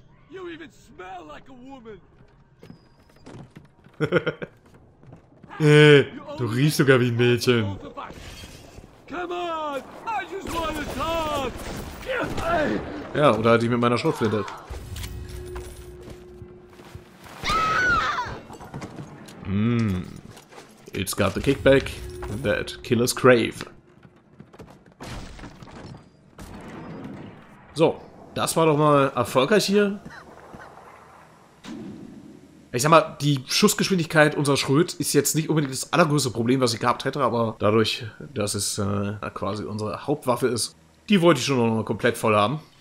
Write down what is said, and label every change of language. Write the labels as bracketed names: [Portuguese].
[English] You even smell like a woman. [German] Du riechst sogar wie ein Mädchen. [English] Come on! I just wanna talk! [German] Ja, oder halt ich mit meiner Schrotflinte. Mm. [English] It's got the kickback that killers crave. [German] So, das war doch mal erfolgreich hier. Ich sag mal, die Schussgeschwindigkeit unserer Schröt ist jetzt nicht unbedingt das allergrößte Problem, was ich gehabt hätte, aber dadurch, dass es quasi unsere Hauptwaffe ist, die wollte ich schon noch mal komplett voll haben.